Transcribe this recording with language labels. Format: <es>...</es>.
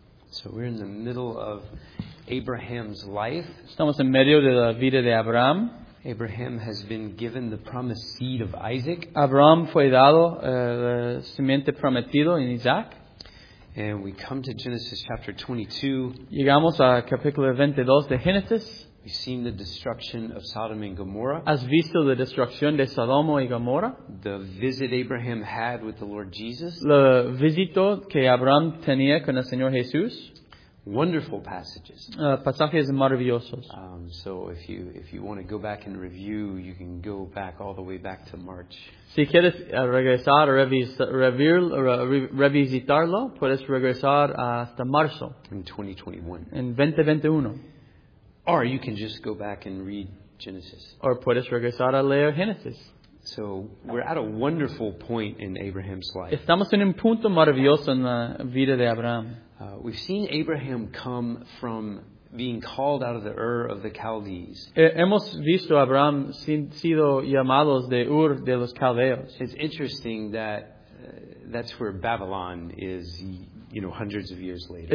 <en>So we're in the middle of Abraham's life.</en> <es>Estamos en medio de la vida de Abraham.</es> <en>Abraham has been given the promised seed of Isaac.</en> <es>Abraham fue dado la simiente prometido en Isaac.</es> <en>And we come to Genesis chapter 22.</en> <es>Llegamos a capítulo 22 de Génesis.</es> <en>We've seen the destruction of Sodom and Gomorrah.</en> <es>¿Has visto la destrucción de Sodoma y Gomorra?</es> <en>The visit Abraham had with the Lord Jesus.</en> <es>La visita que Abraham tenía con el Señor Jesús.</es> <en>Wonderful passages.</en> <es>Pasajes maravillosos.</es> <en>So if you want to go back and review, you can go back all the way back to March.</en> <es>Si quieres regresar revisitarlo, puedes regresar hasta marzo.</es> <en>In 2021.</en> <es>En 2021.</es> <en>Or you can just go back and read Genesis.</en> <es>Or puedes regresar a leer Genesis.</es> <en>So we're at a wonderful point in Abraham's life.</en> <es>Estamos en un punto maravilloso en la vida de Abraham.</es> <en>We've seen Abraham come from being called out of the Ur of the Chaldees.</en> <es>Hemos visto a Abraham sido llamados de Ur de los Caldeos.</es> <en>It's interesting that that's where Babylon is, you know, hundreds of years later.</en>